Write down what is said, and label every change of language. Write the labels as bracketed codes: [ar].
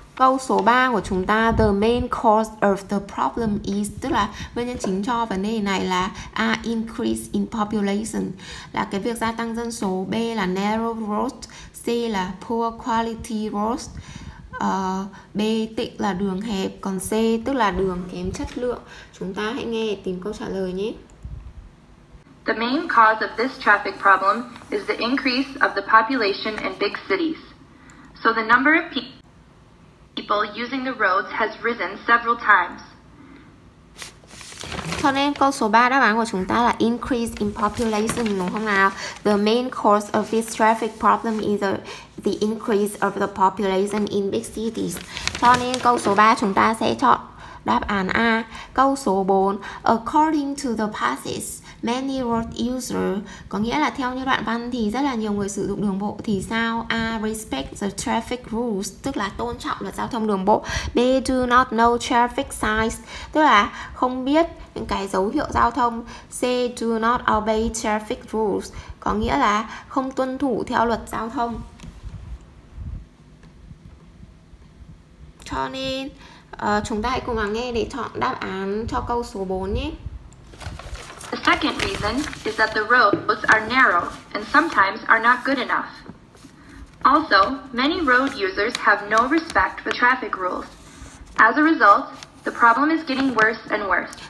[vi] Câu số 3 của chúng ta, [en] the main cause of the problem is, [vi] tức là nguyên nhân chính cho vấn đề này là A, [en] increase in population, [vi] là cái việc gia tăng dân số. [en] B là narrow road. C là poor quality road. [vi] B tịch là đường hẹp. Còn C tức là đường kém chất lượng. Chúng ta hãy nghe tìm câu trả lời nhé. [en] The main cause of this traffic problem is the increase of the population in big cities. So the number of people using the roads has risen several times. [vi] Cho nên câu số 3 đáp án của chúng ta là [en] increase in population, [vi] đúng không nào? [en] The main cause of this traffic problem is the increase of the population in big cities. [vi] Cho nên câu số 3 chúng ta sẽ chọn đáp án A. Câu số 4, [en] according to the passage, many road users, [vi] có nghĩa là theo như đoạn văn thì rất là nhiều người sử dụng đường bộ thì sao? A, [en] respect the traffic rules, [vi] tức là tôn trọng luật giao thông đường bộ. B, [en] do not know traffic signs, [vi] tức là không biết những cái dấu hiệu giao thông. C, [en] do not obey traffic rules, [vi] có nghĩa là không tuân thủ theo luật giao thông. Cho nên chúng ta hãy cùng lắng nghe để chọn đáp án cho câu số 4 nhé. [en] The second reason is that the roads are narrow and sometimes are not good enough. Also, many road users have no respect for traffic rules. As a result, the problem is getting worse and worse.